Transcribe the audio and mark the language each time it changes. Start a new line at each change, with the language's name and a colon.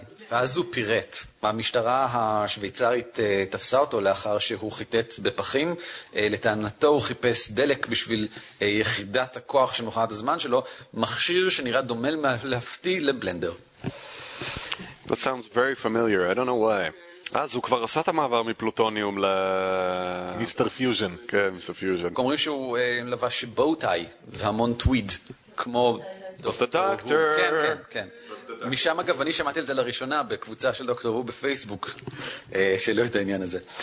Hebrew: ואז הוא פירט. המשטרה השוויצרית תפסה אותו לאחר שהוא חיטט בפחים. לטענתו הוא חיפש דלק בשביל יחידת הכוח שמוכנת הזמן שלו, מכשיר שנראה דומה להפתיע לבלנדר.
English: That sounds very familiar. I don't know why.
Hebrew: אז הוא כבר עשה את המעבר מפלוטוניום ל... מיסטר פיוז'ן. כן, מיסטר פיוז'ן. אומרים שהוא לבש בוטאי והמון טוויד, כמו... דוקטור דוקטור. כן, כן, כן. משם אגב, אני שמעתי את זה לראשונה בקבוצה של דוקטור הוא בפייסבוק, שלא את העניין הזה.